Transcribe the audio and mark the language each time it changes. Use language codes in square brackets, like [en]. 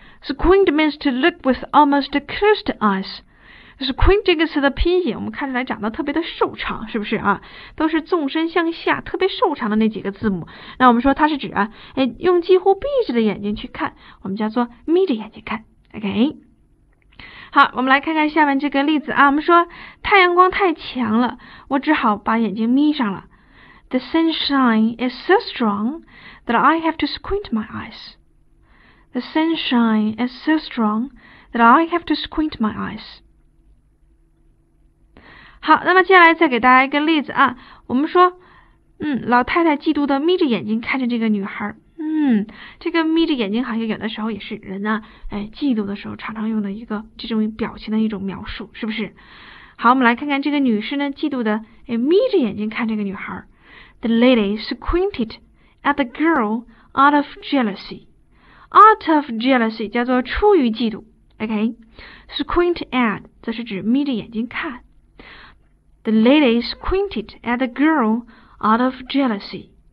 [en] Squint means to look with almost closed eyes. [zh] Squint 这个词的拼写我们看起来长得特别的瘦长，是不是啊？都是纵身向下特别瘦长的那几个字母。那我们说它是指啊，用几乎闭着的眼睛去看，我们叫做眯着眼睛看。 [en] Okay. [zh] 好，我们来看看下面这个例子啊。我们说太阳光太强了，我只好把眼睛眯上了。 [en] The sunshine is so strong that I have to squint my eyes. The sunshine is so strong that I have to squint my eyes. [zh] 好，那么接下来再给大家一个例子啊。我们说，老太太嫉妒的眯着眼睛看着这个女孩。这个眯着眼睛好像有的时候也是人啊，嫉妒的时候常常用的一个这种表情的一种描述，是不是？好，我们来看看这个女士呢，嫉妒的眯着眼睛看这个女孩。 [en] The lady squinted at the girl out of jealousy. Out of jealousy [zh] 叫做出于嫉妒 ，OK? [en] Squint at [zh] 则是指眯着眼睛看。 [en] The lady squinted at the girl out of jealousy.